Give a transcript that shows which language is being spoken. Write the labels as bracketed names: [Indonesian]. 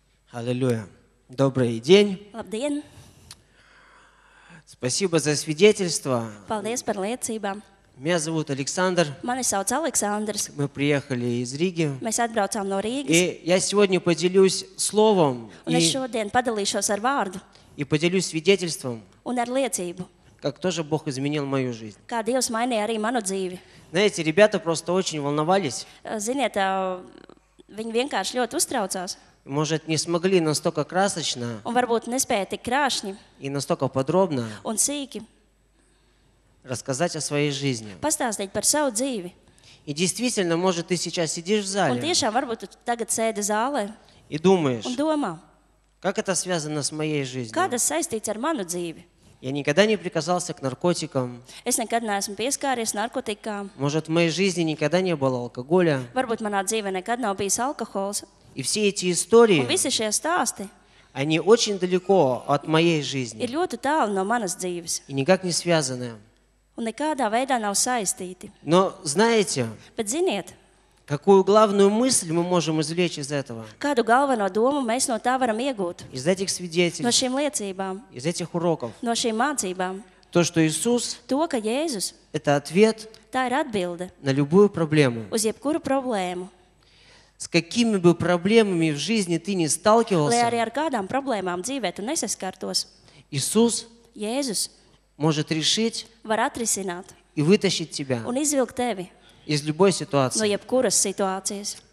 [Russian] Аллилуйя. Добрый день. [Latvian] Labdien. [Russian] Спасибо за свидетельство. [Latvian] Paldies par liecību. [Russian] Меня зовут Александр. [Latvian] Mani sauc Aleksandrs. [Russian] Мы приехали из Риги. [Latvian] Mēs atbraucām no Rīgas. [Russian] И я сегодня поделюсь словом. [Latvian] Un es šodien padalīšos ar vārdu. [Russian] И поделюсь свидетельством. [Latvian] Un ar liecību. [Russian] Как тоже Бог изменил мою жизнь. [Latvian] Kā Dievs mainīja arī manu dzīvi. [Russian] Знаете, ребята просто очень волновались. [Latvian] Ziniet, viņi vienkārši ļoti uztraucās. [Russian] Может, не смогли настолько красочно [Latvian] un, varbūt, nespēja tik krāšņi, [Russian] и настолько подробно [Latvian] un sīki, [Russian] рассказать о своей жизни. [Latvian] Pastāstīt par savu dzīvi. [Russian] И действительно, может, ты сейчас сидишь в зале [Latvian] un, tiešām, varbūt, tu tagad sēdi zālē, [Russian] и думаешь, [Latvian] un domā, [Russian] как это связано с моей жизнью. [Latvian] Kāda saistīts ar manu dzīvi? [Russian] Я никогда не прикасался к наркотикам. [Latvian] Es nekad neesmu pieskāries narkotikām. [Russian] Может, в моей жизни никогда не было алкоголя. [Latvian] Varbūt, manā dzīvē nekad nav bijis alkohols. [Russian] И все эти истории, [Latvian] un visi šie stāsti, [Russian] они очень далеко от моей жизни. [Latvian] Ir ļoti tālu no manas dzīves. [Russian] И никак не связаны. [Latvian] Un nekādā veidā nav saistīti. [Russian] Но знаете, [Latvian] bet ziniet, [Russian] какую главную мысль мы можем извлечь из этого? [Latvian] Kādu galveno domu mēs no tā varam iegūt? [Russian] Из этих свидетельств. [Latvian] No šīm liecībām. [Russian] Из этих уроков. [Latvian] No šīm mācībām. [Russian] То, что Иисус, [Latvian] to, ka Jēzus, [Russian] это ответ [Latvian] tā ir atbilde [Russian] на любую проблему. [Latvian] Uz jebkuru problēmu. [Russian] С какими бы проблемами в жизни ты не сталкивался, [Latvian] lai ar kādām problēmām dzīvē tu nesaskartos, [Russian] Иисус [Latvian] Jēzus [Russian] может решить [Latvian] var atrisināt [Russian] и вытащить тебя [Latvian] un izvilkt tevi [Russian] из любой ситуации. [Latvian] No jebkuras situācijas.